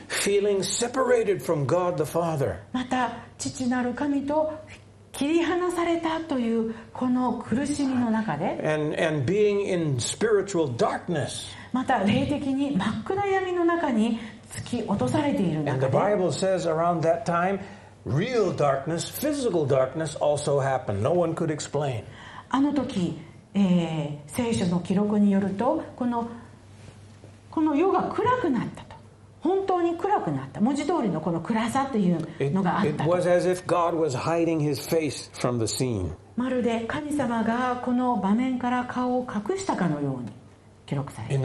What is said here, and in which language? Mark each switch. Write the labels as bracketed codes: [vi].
[en] Feeling separated from God the Father、 [ja] また父なる神と切り離されたというこの苦しみの中で、 [en] and being in spiritual darkness、 [ja] また霊的に真っ暗闇の中に突き落とされている中で、 [en] and the Bible says around that time real darkness, physical darkness also happened. No one could explain. [ja] あの時、聖書の記録によると、この世が暗くなったと、本当に暗くなった、文字通りのこの暗さというのがあったと。 [en] It was as if God was hiding his face from the scene. [ja] まるで神様がこの場面から顔を隠したかのように記録されている。